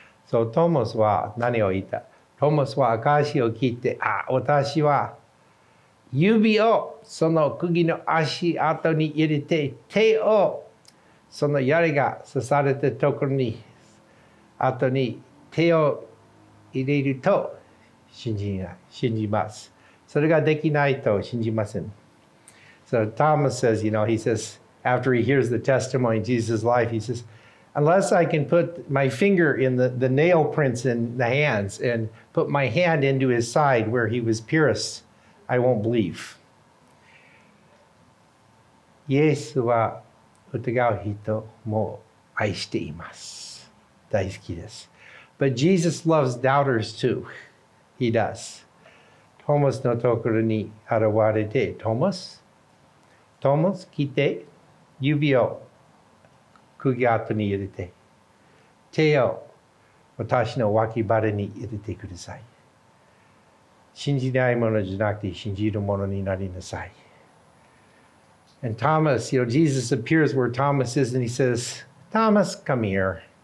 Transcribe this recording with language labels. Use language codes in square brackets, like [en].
[ja] So トモスは何を言った?トモスは証しを聞いて、あ、私は指をその釘の足跡に入れて手をその槍が刺されたところに後に手を入れると信じます。それができないと信じません。 [en] So Thomas says, you know, he says, after he hears the testimony of Jesus' life, he says, unless I can put my finger in the nail prints in the hands and put my hand into his side where he was pierced,I won't believe. [ja] イエスは疑う人も愛しています。大好きです。 [en] But Jesus loves doubters too. He does. [ja] トーマスのところに現れて、トーマス、来て、指を釘跡に入れて、手を私の脇腹に入れてください。信じないものじゃなくて信じるものになりなさい。 [en] And Thomas, you know, Jesus appears where Thomas is and he says, Thomas, come here.